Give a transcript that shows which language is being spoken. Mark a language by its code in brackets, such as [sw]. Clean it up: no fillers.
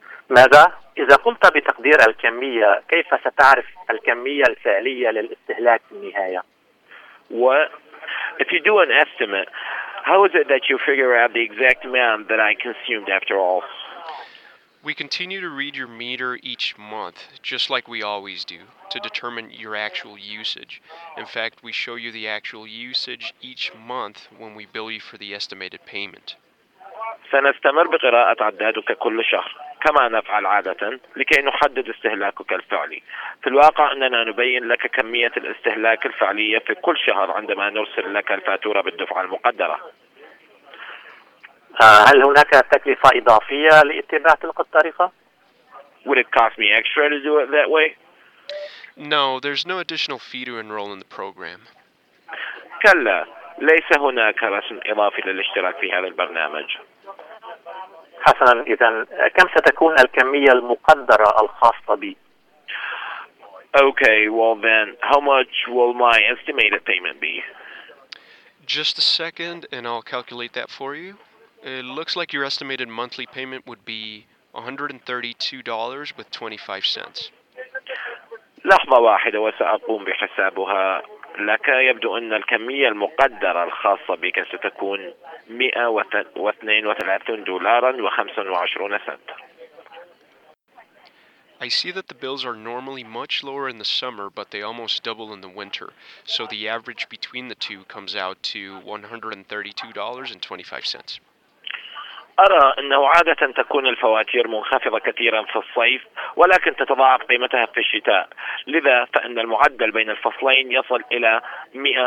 [ar] ماذا؟ إذا قمت بتقدير الكمية، كيف ستعرف الكمية الفعلية للاستهلاك في النهاية؟ [en] What? If you do an estimate, how is it that you figure out the exact amount that I consumed after all? We continue to read your meter each month, just like we always do, to determine your actual usage. In fact, we show you the actual usage each month when we bill you for the estimated payment. [ar] سنستمر بقراءة عدادك كل شهر كما نفعل عادة لكي نحدد استهلاكك الفعلي. في الواقع أننا نبين لك كمية الاستهلاك الفعلية في كل شهر عندما نرسل لك الفاتورة بالدفعة المقدرة. هل هناك تكلفة إضافية لاتباع تلك الطريقة؟ [en] Would it cost me extra to do it that way? No, there's no additional fee to enroll in the program. [ar] كلا، ليس هناك رسم إضافي للاشتراك في هذا البرنامج. حسنا، إذن كم ستكون الكمية المقدرة الخاصة بي؟ [en] Okay, well then, how much will my estimated payment be? Just a second and I'll calculate that for you. It looks like your estimated monthly payment would be $132.25. [ar] لحظة واحدة وسأقوم بحسابها لك. يبدو أن الكمية المقدرة الخاصة بك ستكون $132.25. [en] I see that the bills are normally much lower in the summer, but they almost double in the winter. So the average between the two comes out to $132.25. [ar] أرى أنه عادة تكون الفواتير منخفضة كثيرا في الصيف ولكن تتضاعف قيمتها في الشتاء، لذا فإن المعدل بين الفصلين يصل إلى $132.25.